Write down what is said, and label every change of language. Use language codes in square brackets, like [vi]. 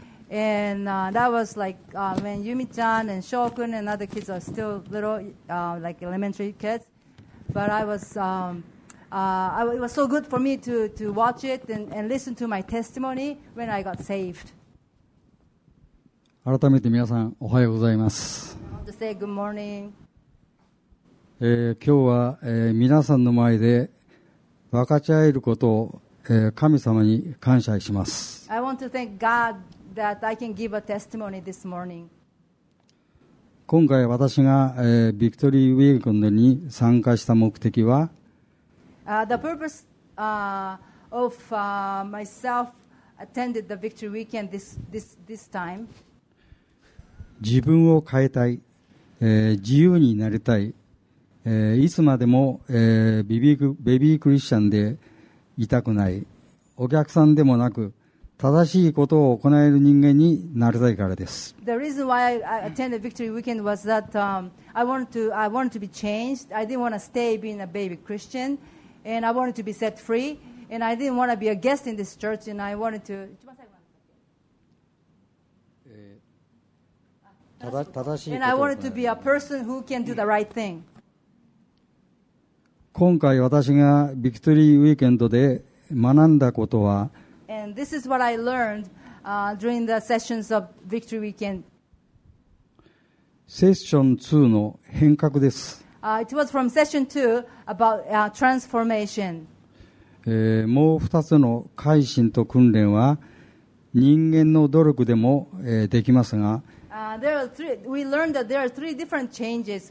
[en] And that was like when Yumi-chan and Shou-kun and other kids are still little, like elementary kids. But I was, it was so good for me to watch it and listen to my testimony when I got saved. [ja] 改めて皆さん、おはようございます。今日は、皆さんの前で分かち合えることを、神様に感謝します。今回私が、ビクトリーウィークエンドに参加した目的は、 [en] The purpose, of, myself attended the victory weekend this time. [ja] 自分を変えたい、自由になりたい、いつまでも、ベビークリスチャンでいたくない、お客さんでもなく正しいことを行える人間になりたいからです。 [en] The reason why I attended Victory Weekend was that I wanted to be changed. I didn't want to stay being a baby Christian, and I wanted to be set free, and I didn't want to be a guest in this church, and I wanted to [ja] 正しいことを、 [en] and I wanted to be a person who can do the right thing. [ja] 今回私がビクトリーウィークエンドで学んだことは、 [en] and this is what I learned, during the sessions of Victory Weekend. [ja] セッション2の変革です。 [en] It was from session 2 about, transformation. [ja] もう2つの改心と訓練は人間の努力でも、できますが、 [en] There are three, we learned that there are three different changes.